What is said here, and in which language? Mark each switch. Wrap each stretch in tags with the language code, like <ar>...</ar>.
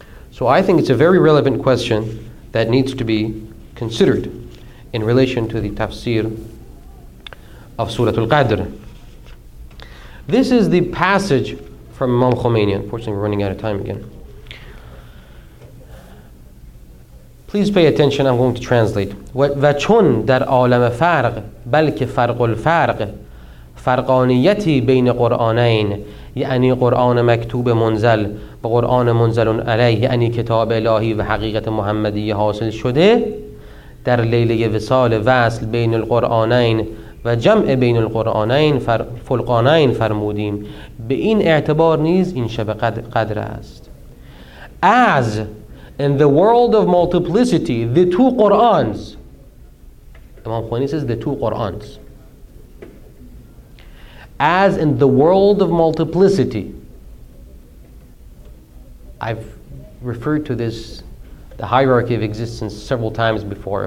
<en>So I think it's a very relevant question that needs to be considered in relation to the tafsir of Surah Al-Qadr. This is the passage from Imam Khomeini. Unfortunately, we're running out of time again. Please pay attention. I'm going to translate.</en> <fa>وَچُن در عالم فرق بلکه فرق الفرق فرقانیتی بین قرآنین یعنی قرآن مکتوب منزل و قرآن منزل علیه یعنی کتاب الهی و حقیقت محمدی حاصل شده در لیله وصال وصل بین القرآنین و جمع بین القرآنین فرقانین فرمودیم به این اعتبار نیز این شب قدر است.</fa> <en>As in the world of multiplicity, the two Qur'ans, Imam Khomeini says the two Qur'ans, as in the world of multiplicity, I've referred to this, the hierarchy of existence, several times before.</en>